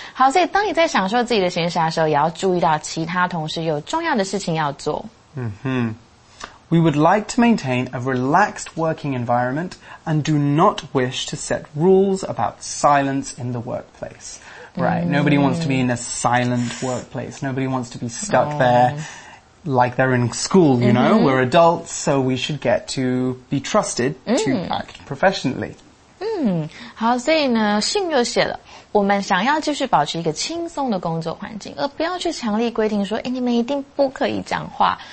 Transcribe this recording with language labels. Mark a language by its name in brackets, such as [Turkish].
[Chinese] 好，所以当你在享受自己的闲暇的时候，也要注意到其他同事有重要的事情要做。 [English] We would like to maintain a relaxed working environment and do not wish to set rules about silence in the workplace. Right. Nobody wants to be in a silent workplace. Nobody wants to be stuck there like they're in school, you know? We're adults, so we should get to be trusted to act professionally. [Chinese] 好，所以呢，信又写了。我们想要继续保持一个轻松的工作环境，而不要去强力规定说，哎，你们一定不可以讲话。